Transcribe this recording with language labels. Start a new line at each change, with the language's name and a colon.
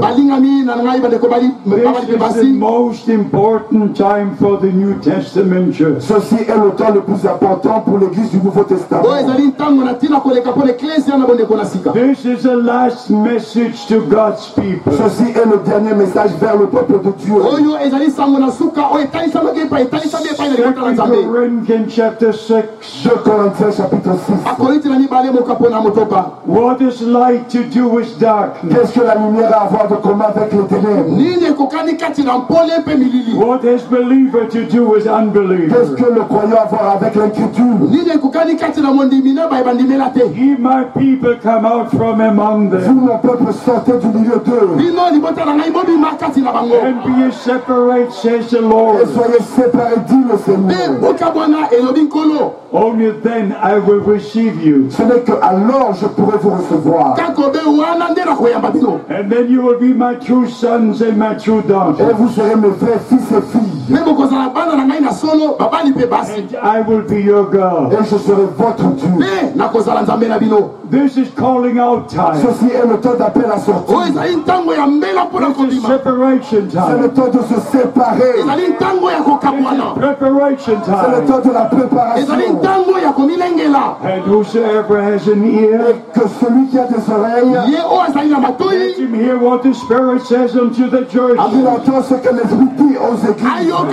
English: This is the most important time for the New Testament church.
French: Ceci est le temps le plus important pour l'Église du Nouveau Testament.
English: This is the last message to God's people.
French: Ceci est le dernier message vers le peuple de Dieu.
English: Corinthians chapter 6. What is light to do with dark?
French: Qu'est-ce que la lumière a à voir de commun avec les ténèbres?
English: What is believer to do with unbelief?
French: Qu'est-ce que le croyant a à voir avec l'inquiétude?
English: He, my people, come out from among them.
French: Vous, mon peuple, sortez du milieu d'eux.
English: Separate, says the Lord.
French: Et soyez séparés, dit le Seigneur.
English: Only then I will receive you.
French: Ce n'est que alors je pourrai vous recevoir.
English: And then you will be my true sons and my true daughters.
French: Et vous serez mes frères, fils et filles.
English: And I will be your God.
French: Et je serai votre Dieu.
English: This is calling out time.
French: Ceci est le temps d'appel à sortir.
English: This is separation time.
French: C'est le temps de se séparer.
English: Preparation time.
French: C'est le temps de la préparation.
English: And whosoever has an ear,
French: que celui qui a des oreilles,
English: let him hear what the Spirit says unto the church.
French: Il entend ce que l'Esprit dit aux églises.